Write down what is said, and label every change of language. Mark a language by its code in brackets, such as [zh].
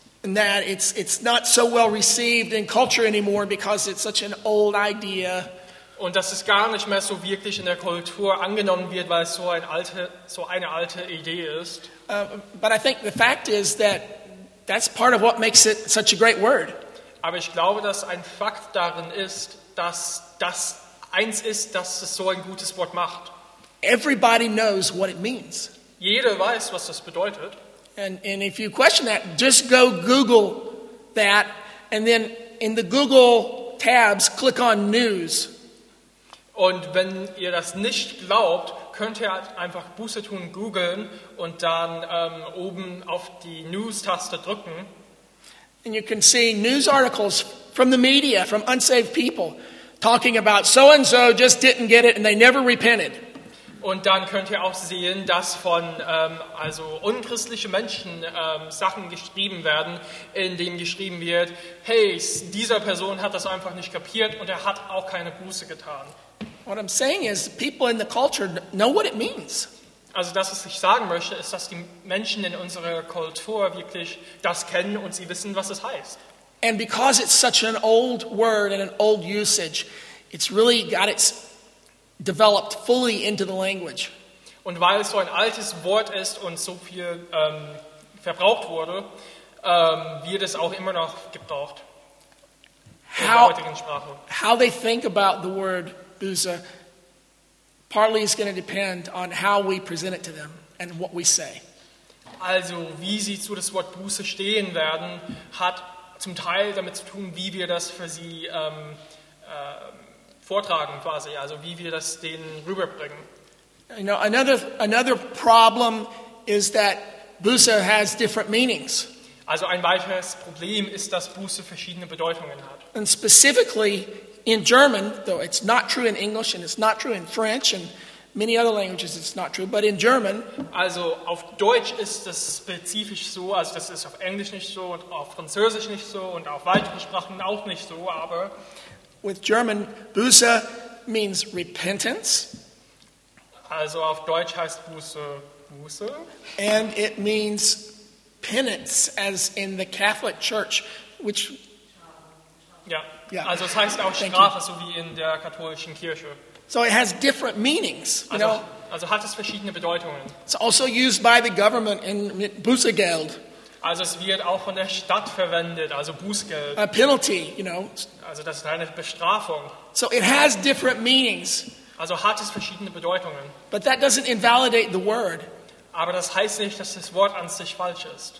[en] And that it's not so well received in culture anymore because it's such an old idea. [de] Und dass es gar nicht mehr so wirklich in der Kultur angenommen wird, weil es so eine alte Idee ist. [en] But I think the fact is that that's part of what makes it such a great word. [de] Aber ich glaube, dass ein Fakt darin ist, dass das eins ist, dass es so ein gutes Wort macht. [en] Everybody knows what it means. [de] Jeder weiß, was das bedeutet. [en] And if you question that, just go Google that, and then in the Google tabs, click on news. [de] Und wenn ihr das nicht glaubt, könnt ihr einfach Buße tun googeln und dann oben auf die News-Taste drücken. [en] And you can see news articles from the media, from unsaved people, talking about so-and-so just didn't get it and they never repented. [de] Und dann könnt ihr auch sehen, dass von also unchristlichen Menschen Sachen geschrieben werden, in denen geschrieben wird, hey, dieser Person hat das einfach nicht kapiert und er hat auch keine Buße getan. [en] What I'm saying is, people in the culture know what it means. [de] Also das, was ich sagen möchte, ist, dass die Menschen in unserer Kultur wirklich das kennen und sie wissen, was es heißt. [en] And because it's such an old word and an old usage, it's really got its developed fully into the language. [de] Und weil es so ein altes Wort ist und so viel verbraucht wurde, wird es auch immer noch gebraucht. [en] How they think about the word Buße partly is going to depend on how we present it to them and what we say. [de] Also, wie sie zu das Wort Buße stehen werden, hat zum Teil damit zu tun, wie wir das für sie vortragen, quasi. Also, wie wir das denen rüberbringen. [en] You know, another problem is that Buße has different meanings. [de] Also, ein weiteres Problem ist, dass Buße verschiedene Bedeutungen hat. [en] And specifically, in German, though it's not true in English and it's not true in French and many other languages, it's not true. But in German, [de] also auf Deutsch ist das spezifisch so, also das ist auf Englisch nicht so und auf Französisch nicht so und auf weiteren Sprachen auch nicht so. Aber [en] with German, Buße means repentance. [de] Also auf Deutsch heißt Buße Buße. [en] And it means penance, as in the Catholic Church, which. Yeah. Yeah. [de] Also es heißt auch Strafe, so wie in der katholischen Kirche. [en] So it has different meanings, you [de] also, [en] know? [de] Also hat es verschiedene Bedeutungen. [en] It's also used by the government in Bußgeld. [de] Also es wird auch von der Stadt verwendet, also Bußgeld. [en] A penalty, you know? [de] Also das ist eine Bestrafung. [en] So it has different meanings. [de] Also hat es verschiedene Bedeutungen. [en] But that doesn't invalidate the word. [de] Aber das heißt nicht, dass das Wort an sich falsch ist.